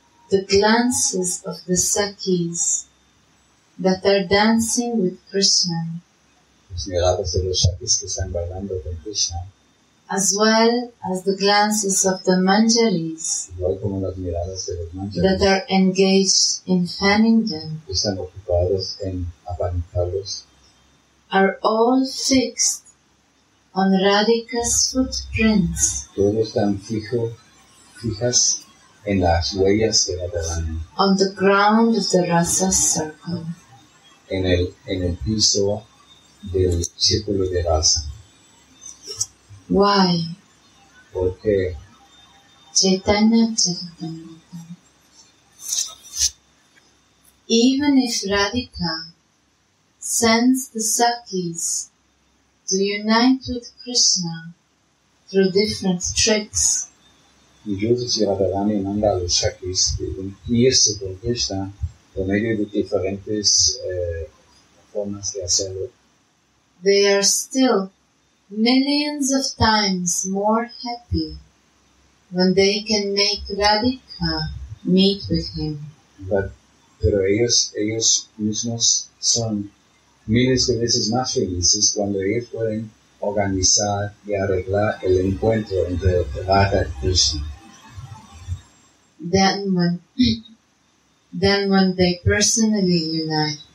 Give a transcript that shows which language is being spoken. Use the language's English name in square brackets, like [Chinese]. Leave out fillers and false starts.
[English] The glances of the Sakis that are dancing with Krishna. [Spanish] Las miradas de los Sakis que están bailando con Krishna. [English] As well as the glances of the Manjaris that are engaged in fanning them, [Spanish] están ocupados en abanicarlos, [English] are all fixed on Radhika's footprints. [Spanish] Todos están fijas en las huellas de Radha Rani. [English] On the ground of the Rasa circle. [Spanish] En el piso del círculo de Rasa. [English] Why? [Spanish] ¿Por qué? [English] Chaitanya Charitamrita. Even if Radhika sends the Sakis to unite with Krishna through different tricks, [Spanish] incluso si Radharani manda a los Sakis de unirse con Krishna por medio de diferentes formas de hacerlo, [English] they are still millions of times more happy when they can make Radhika meet with him. [Spanish] Pero ellos mismos son miles de veces más felices cuando ellos pueden organizar y arreglar el encuentro entre Radha y Krishna. [English] Then when they personally unite